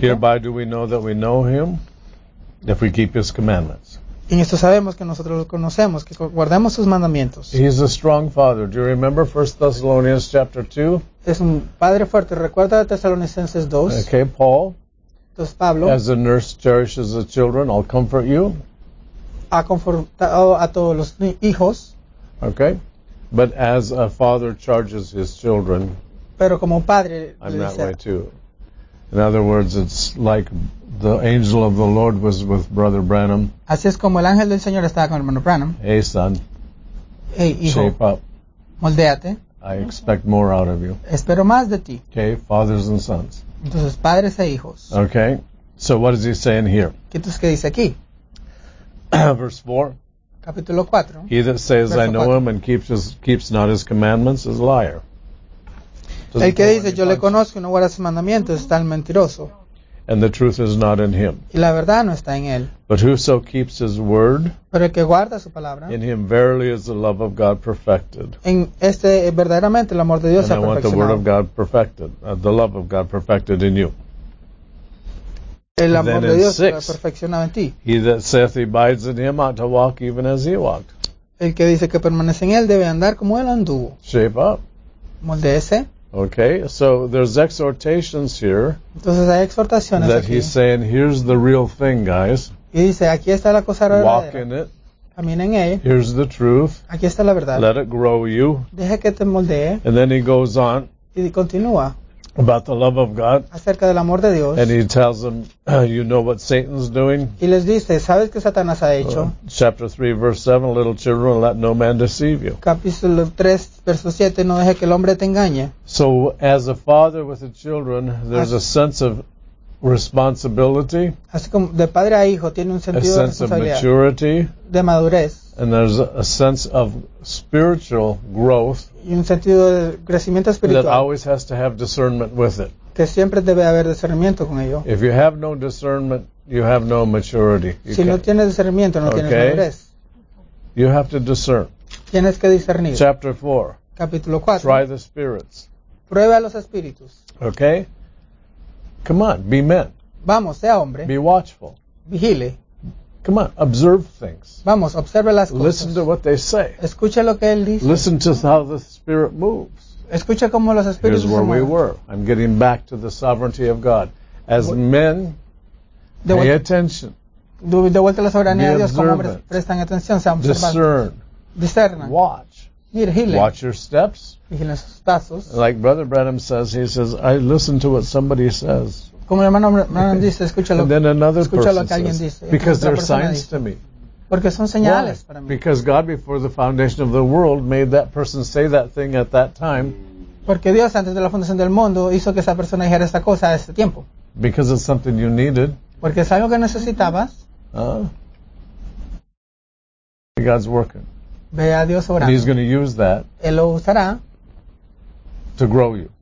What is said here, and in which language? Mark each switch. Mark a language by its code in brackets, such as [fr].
[en] Hereby do we know that we know him. If we keep his commandments. [es] En esto sabemos que nosotros lo conocemos, que guardamos sus mandamientos. [en] He is a strong father. Do you remember 1 Thessalonians chapter 2? [es] Es un padre fuerte. Recuerda de Tesalonicenses 2. [en] Okay, Paul. [es] Entonces, Pablo. [en] As a nurse cherishes the children, I'll comfort you. [es] Ha confortado a todos los hijos. [en] Okay. But as a father charges his children. [es] Pero como padre. [en] I'm that way too. In other words, it's like the angel of the Lord was with Brother Branham. [es] Así es como el ángel del Señor estaba con el hermano Branham. [en] Hey, son. [es] Hey, hijo. [en] Shape up. [es] Moldéate. [en] I expect more out of you. [es] Espero más de ti. [en] Okay, fathers and sons. [es] Entonces, padres e hijos. [en] Okay, so what is he saying here? [es] ¿Qué es que dice aquí? [en] Verse 4. [es] Capítulo 4. [en] He that says, I know him and keeps not his commandments is a liar. [es] El que dice, yo le conozco y no guarda sus mandamientos, es tal mentiroso. [en] And the truth is not in him. [es] Y la verdad no está en él. [en] But whoso keeps his word, [es] pero el que guarda su palabra, [en] in him verily is the love of God perfected. [es] En este, verdaderamente, el amor de Dios [en] and [es] se ha perfeccionado. [en] I want the word of God perfected, the love of God perfected in you. [es] El amor de Dios se ha perfeccionado en ti. [en] He that saith he abides in him ought to walk even as he walked. [es] El que dice que permanece en él debe andar como él anduvo. [en] Shape up. [es] Moldéese. [en] Okay, so there's exhortations here. [es] Entonces, hay exhortaciones [en] that [es] aquí. [en] He's saying, here's the real thing, guys. [es] Y dice, aquí está la cosa verdadera. [en] Walk in it. [es] Camina en ella. [en] Here's the truth. [es] Aquí está la verdad. [en] Let it grow you. [es] Deja que te moldee. [en] And then he goes on. [es] Y continúa. [en] About the love of God. [es] Acerca del amor de Dios. [en] And he tells them, you know what Satan's doing. [es] Y les dice, ¿sabes qué Satanás ha hecho? [en] Chapter 3, verse 7, little children, let no man deceive you. [es] Capítulo 3, verso 7, no deje que el hombre te engañe. [en] So, as a father with the children, there's a sense of responsibility. [es] Así como de padre a hijo, tiene un sentido [en] a sense [es] de responsabilidad. [en] Of maturity. [es] De madurez. [en] And there's a sense of spiritual growth [es] y un sentido de crecimiento espiritual [en] that always has to have discernment with it. [es] Que siempre debe haber discernimiento con ello. [en] If you have no discernment, you have no maturity. [es] Si no tienes discernimiento, no tienes madurez. [en] You have to discern. [es] Tienes que discernir. [en] Chapter 4. [es] Capítulo 4. [en] Try the spirits. [es] Prueba a los espíritus. [en] Okay? Come on, be men. [es] Vamos, sea hombre. [en] Be watchful. [es] Vigile. [en] Come on, observe things. [es] Vamos, observe las cosas. [en] Listen to what they say. [es] Escucha lo que él dice. [en] Listen to how the Spirit moves. [es] Escucha cómo los espíritus se mueven. [en] Here's where we were. I'm getting back to the sovereignty of God. As men, pay attention. [es] De vuelta a la soberanía de Dios, como hombres prestan atención, sean observantes. [en] Discern. [es] Discerna. [en] Watch. [es] Vigile. [en] Watch your steps. [es] Vigile sus pasos. [en] Like Brother Branham says, he says, I listen to what somebody says. [es] Como el hermano Branham dice, escúchalo. [en] And then another [es] escucha [en] person [es] lo que alguien [en] says, [es] dice. [en] Because they're signs to me. [es] Porque son señales [en] why? [es] Para mí. [en] Because God, before the foundation of the world, made that person say that thing at that time. [es] Porque Dios, antes de la fundación del mundo, hizo que esa persona dijera esta cosa a ese tiempo. [en] Because it's something you needed. [es] Porque es algo que necesitabas. [en] God's working. [es] Ve a Dios orando. [en] And he's going to use that. [es] Él lo usará. [en] To grow you.